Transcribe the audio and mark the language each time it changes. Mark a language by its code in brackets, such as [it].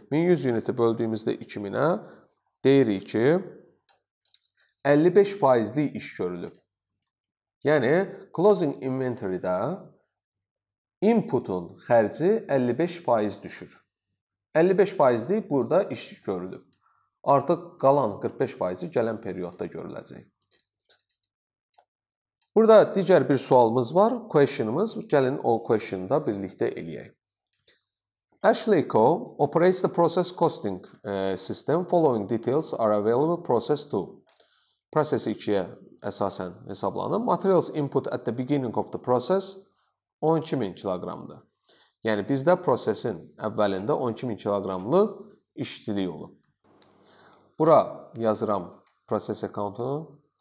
[az] 1100 uniti böldüyümüzdə 2000-ə deyirik ki, 55%-lik iş görülüb. Yəni closing inventory-də inputun xərci 55% düşür. 55%-lik burada iş görülüb. Artıq qalan 45%-i gələn periodda görüləcək. Burada digər bir sualımız var, question-ımız. Gəlin o question-ı da birlikdə eləyək. [en] Ashley Co. operates the process costing system. Following details are available process 2. [az] Process 2-yə əsasən hesablanır. [en] Materials input at the beginning of the process 12.000 kilogramdır. [az] Yəni, bizdə prosesin əvvəlində 12.000 kilogramlıq işçilik olur. Bura yazıram process account-unu.